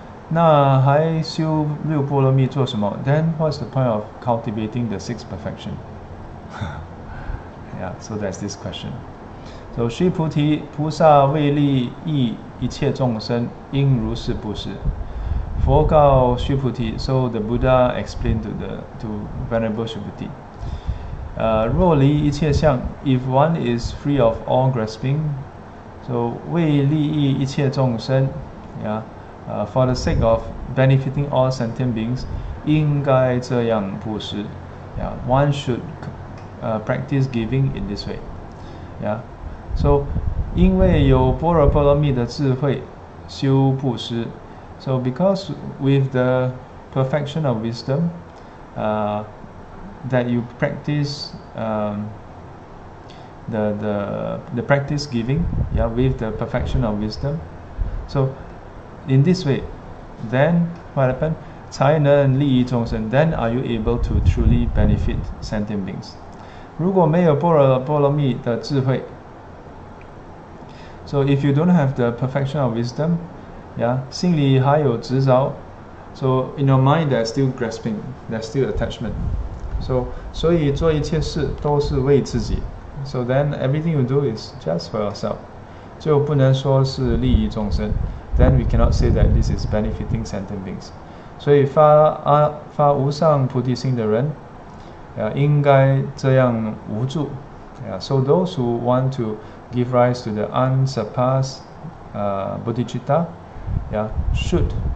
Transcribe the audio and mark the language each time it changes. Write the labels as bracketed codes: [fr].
[zh] 那还修六波罗蜜做什么? [en] Then what's the point of cultivating the sixth perfection? Yeah, so that's this question. [zh] So, 须菩提，菩萨为利益一切众生，应如是不是？ [en] 佛告须菩提。 So the Buddha explained to Venerable 须菩提。若离一切相，if one is free of all grasping, so 为利益一切众生，yeah, for the sake of benefiting all sentient beings, 应该这样布施。 Yeah, one should. Practice giving in this way. Yeah. [zh] So, 因为有般若波罗蜜的智慧修布施 [en] So, because with the perfection of wisdom, that you practice, the practice giving, yeah, with the perfection of wisdom. So, in this way, then what happened? [zh] 才能利益众生 [en] Then are you able to truly benefit sentient beings? [zh] 如果没有波罗蜜的智慧 [en] So if you don't have the perfection of wisdom yeah, 心里还有执着 So in your mind there's still grasping There's still attachment [zh] So 所以做一切事都是为自己 [en] So then everything you do is just for yourself [zh] 就不能说是利益众生 [en] Then we cannot say that this is benefiting sentient beings [zh] 所以 发无上菩提心的人应该这样无助 [en] yeah, So those who want to give rise to the unsurpassed bodhicitta yeah, should